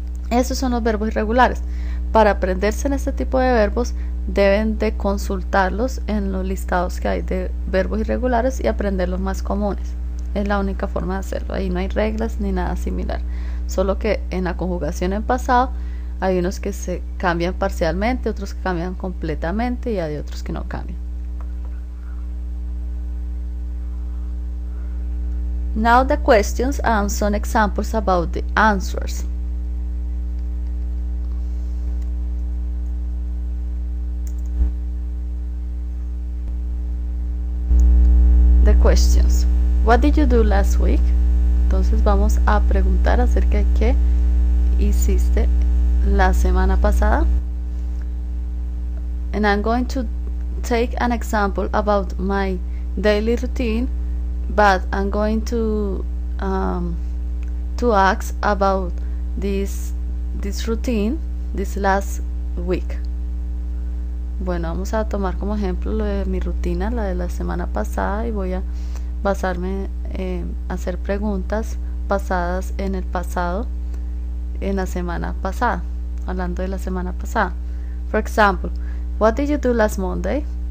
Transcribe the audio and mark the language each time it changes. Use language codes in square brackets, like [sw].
[es] Esos son los verbos irregulares. Para aprenderse en este tipo de verbos, deben de consultarlos en los listados que hay de verbos irregulares y aprender los más comunes. Es la única forma de hacerlo. Ahí no hay reglas ni nada similar. Solo que en la conjugación en pasado hay unos que se cambian parcialmente, otros que cambian completamente y hay otros que no cambian. [en] Now the questions and some examples about the answers. Questions. What did you do last week? [es] Entonces vamos a preguntar acerca de qué hiciste la semana pasada. [en] And I'm going to take an example about my daily routine, but I'm going to ask about this routine this last week. [es] Bueno, vamos a tomar como ejemplo lo de mi rutina, la de la semana pasada, y voy a basarme en hacer preguntas basadas en el pasado, en la semana pasada, hablando de la semana pasada. [en] For example, what did you do last Monday?